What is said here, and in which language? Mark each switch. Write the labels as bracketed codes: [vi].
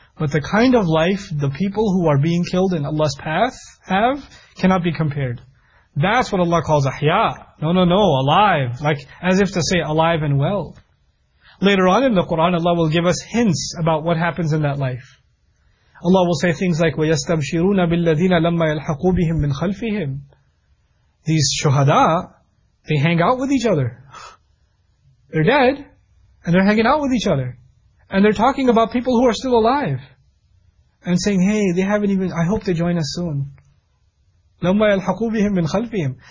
[en] But the kind of life the people who are being killed in Allah's path have, cannot be compared. That's what Allah calls ahya. No, alive. Like, as if to say alive and well. Later on in the Quran, Allah will give us hints about what happens in that life. Allah will say things like, [ar] وَيَسْتَبْشِرُونَ بِالَّذِينَ لَمَّا يَلْحَقُوا بِهِمْ مِنْ خَلْفِهِمْ. [en] These shuhada, they hang out with each other. They're dead, and they're hanging out with each other. And they're talking about people who are still alive. And saying, hey, they haven't even, I hope they join us soon. [ar] لَمَّا يَلْحَقُوا بِهِمْ مِنْ خَلْفِهِمْ.